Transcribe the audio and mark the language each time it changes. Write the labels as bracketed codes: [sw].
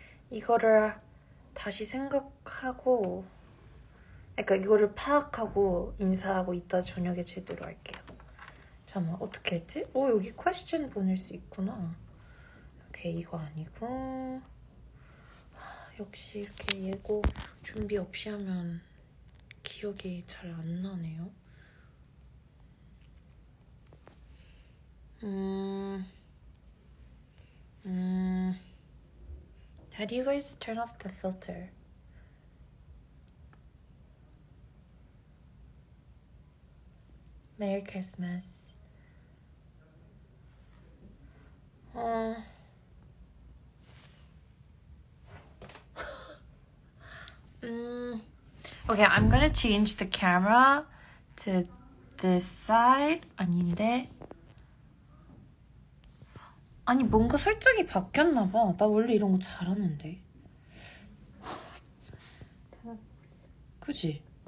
[ko] 이거를 다시 생각하고 그러니까 이거를 파악하고 인사하고 이따 저녁에 제대로 할게요. 잠깐만 어떻게 했지? 오 여기 퀘스천 보낼 수 있구나. 오케이 이거 아니고. 하, 역시 이렇게 예고 준비 없이 하면 기억이 잘 안 나네요. [en] How do you guys turn off the filter? Merry Christmas. okay, I'm gonna change the camera to this side. [ko] 아닌데. 아니 뭔가 설정이 바뀌었나 봐. 나 원래 이런 거 잘하는데. 그치?